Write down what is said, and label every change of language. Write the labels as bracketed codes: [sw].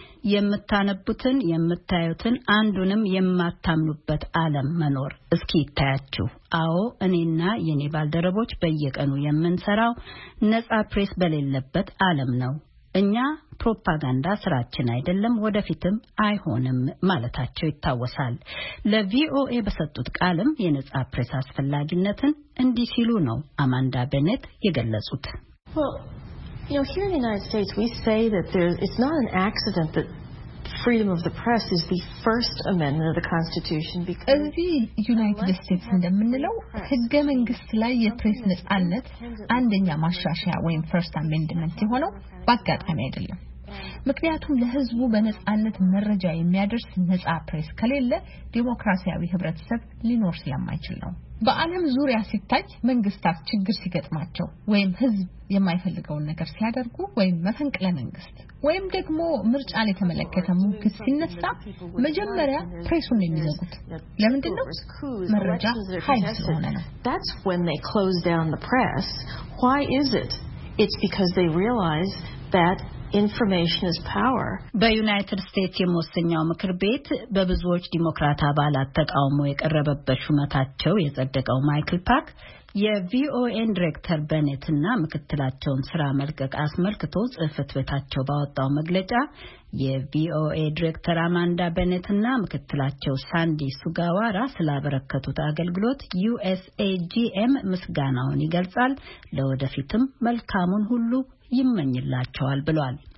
[am] የምታነቡትን የምታዩትን አንዱንም የማታምኑበት ዓለም መኖር እስኪ ይታያችሁ። አዎ እኔና የኔ ባልደረቦች በየቀኑ የምንሰራው ነጻ ፕሬስ በሌለበት ዓለም ነው። እኛ ፕሮፓጋንዳ ስራችን አይደለም ወደፊትም አይሆንም ማለታቸው ይታወሳል። ለቪኦኤ በሰጡት ቃልም የነጻ ፕሬስ አስፈላጊነትን እንዲህ ሲሉ ነው አማንዳ በነት የገለጹት። [en] You know, here in the United States, we say that it's not an accident that freedom of the press is the First Amendment of the Constitution because [am] the United States እንደምንለው ህገ መንግስት ላይ የፕሬስ ነጻነት አንደኛ ማሻሻያ ወይም First Amendment የሆነው በአጋጣሚ አይደለም። ምክንያቱም ለህዝቡ በነጻነት መረጃ የሚያደርስ ነጻ ፕሬስ ከሌለ ዲሞክራሲያዊ ህብረተሰብ ሊኖር ስለማይችል ነው። በአለም ዙሪያ ሲታይ መንግስታት ችግር ሲገጥማቸው ወይም ህዝብ የማይፈልገውን ነገር ሲያደርጉ ወይም መፈንቅለ መንግስት ወይም ደግሞ ምርጫ ላይ ተመለከተ ሙግት ሲነሳ መጀመሪያ ፕሬሱን የሚዘጉት ለምንድን ነው? መረጃ ኃይል ስለሆነ ነው። [en] That's when they close down the press. Why is it? It's because they realize that information is power. በዩናይትድ ስቴትስ የመወሰኛው ምክር ቤት በብዙዎች ዲሞክራት አባላት ተቃውሞ የቀረበበት ሹመታቸው የጸደቀው ማይክል ፓክ የቪኦኤ ዳይሬክተር በነትና ምክትላቸውን ስራ መልቀቅ አስመልክቶ ጽፈት ቤታቸው ባወጣው መግለጫ የቪኦኤ ዳይሬክተር አማንዳ በነትና ምክትላቸው ሳንዲ ሱጋዋራ ስላበረከቱት አገልግሎት USAGM ምስጋናውን ይገልጻል። ለወደፊትም መልካሙን ሁሉ ይመኝላቸዋል ብሏል።